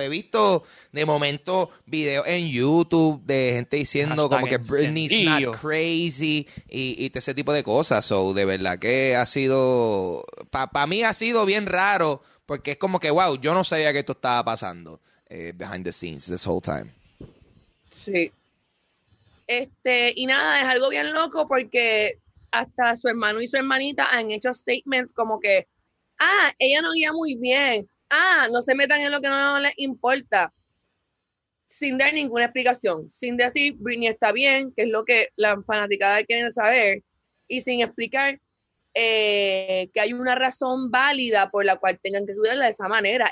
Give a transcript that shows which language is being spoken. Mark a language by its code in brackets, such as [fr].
[es] He visto de momento videos en YouTube de gente diciendo hashtag como que [en] Britney's not crazy [es] y ese tipo de cosas. So, de verdad que ha sido, para mí ha sido bien raro, porque es como que, wow, yo no sabía que esto estaba pasando. [en] Behind the scenes this whole time. [es] Sí. Y nada, es algo bien loco porque hasta su hermano y su hermanita han hecho statements como que, ella no guía muy bien, no se metan en lo que no les importa, sin dar ninguna explicación, sin decir Britney está bien, que es lo que la fanaticada quiere saber, y sin explicar que hay una razón válida por la cual tengan que cuidarla de esa manera.